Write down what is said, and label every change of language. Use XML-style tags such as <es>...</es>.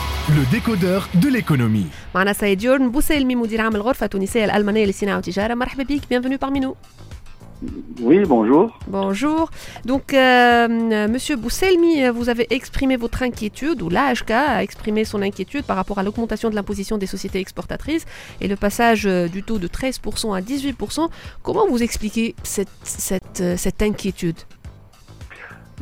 <fr>Le décodeur de l'économie.</fr> <ar>معنا سيد يورن بوسيلمي مدير عام الغرفة التونسية الألمانية للصناعة والتجارة. مرحبا بك.</ar> <fr>Bienvenue parmi nous. Oui, bonjour. Bonjour. Donc, Monsieur Bousselmi, vous avez exprimé votre inquiétude, ou l'AHK a exprimé son inquiétude par rapport à l'augmentation de l'imposition des sociétés exportatrices et le passage du taux de 13% à 18%. Comment vous expliquez cette inquiétude ?</fr>